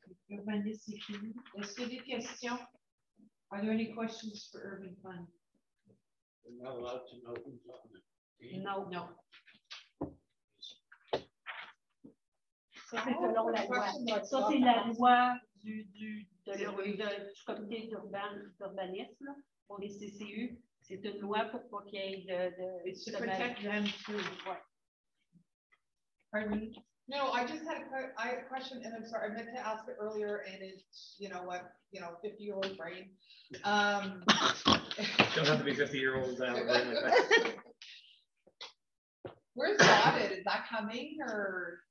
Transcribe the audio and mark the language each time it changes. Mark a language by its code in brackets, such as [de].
[fr] Urbanisme, c'est fini. Est-ce que des questions? [en] Are there any questions for Urban Fund? We're not allowed to know who's on the team. No, no. [fr] Ça, c'est la loi du comité d'urbanisme pour les CCU. C'est une loi pour pas qu'il y ait de... [en] It's to protect them too. Pardon? No, I just had a question, and I'm sorry, I meant to ask it earlier, and it's, you know what, 50-year-old brain. Don't have to be 50-year-old. Where's the audit? Is that coming, or...